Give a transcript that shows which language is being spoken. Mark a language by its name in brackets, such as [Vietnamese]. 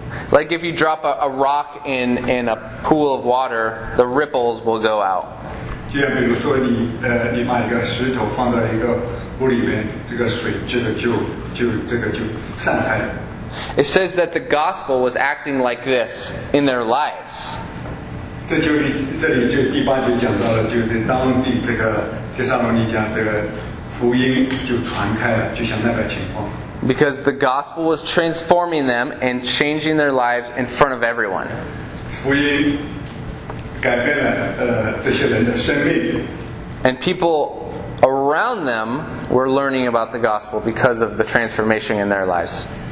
[English] Like if you drop a rock in a pool of water, the ripples will go out. It says that the gospel was acting like this in their lives. [Chinese] 这就第八节讲到了，就是当地这个帖撒罗尼迦这个福音就传开了，就像那个情况。Because [English] the gospel was transforming them and changing their lives in front of everyone. [Chinese] 福音改变了这些人的生命。And [English] people around them were learning about the gospel because of the transformation in their lives.